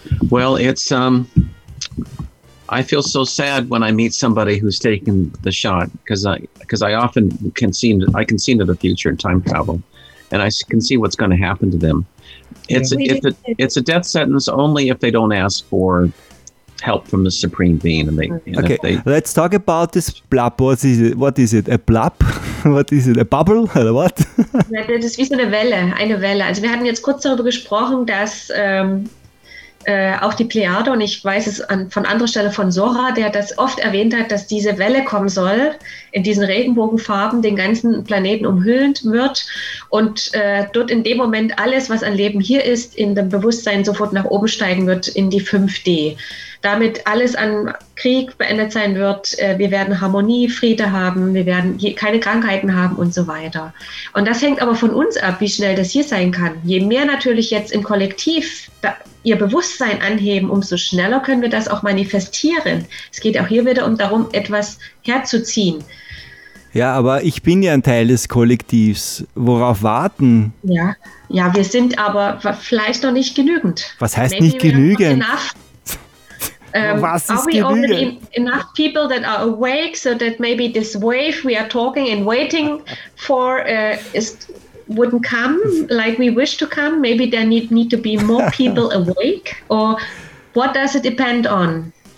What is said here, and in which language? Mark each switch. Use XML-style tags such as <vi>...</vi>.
<en>Well, it's, I feel so sad when I meet somebody who's taken the shot because I can see into the future and time travel, and I can see what's going to happen to them. It's a death sentence only if they don't ask for help from the supreme being, and let's talk about this blob. What is it a blob? What is it, a bubble or what?</en> <de>Das ist wie so eine Welle. Also wir hatten jetzt kurz darüber gesprochen, dass auch die Plejade, und ich weiß es von anderer Stelle von Sora, der das oft erwähnt hat, dass diese Welle kommen soll, in diesen Regenbogenfarben den ganzen Planeten umhüllend wird und dort in dem Moment alles, was an Leben hier ist, in dem Bewusstsein sofort nach oben steigen wird, in die 5D. damit alles an Krieg beendet sein wird. Wir werden Harmonie, Friede haben, wir werden keine Krankheiten haben und so weiter. Und das hängt aber von uns ab, wie schnell das hier sein kann. Je mehr natürlich jetzt im Kollektiv ihr Bewusstsein anheben, umso schneller können wir das auch manifestieren. Es geht auch hier wieder darum, etwas herzuziehen. Ja, aber ich bin ja ein Teil des Kollektivs. Worauf warten? Ja, ja, wir sind aber vielleicht noch nicht genügend. Was heißt Maybe nicht genügend? Was ist genügend?</de> <en>Are we</en> <de>genügend?</de> <en>Only enough people that are awake so that maybe this wave we are talking and waiting for wouldn't come like we wish to come? Maybe there need to be more people awake? Or what does it depend on?</en>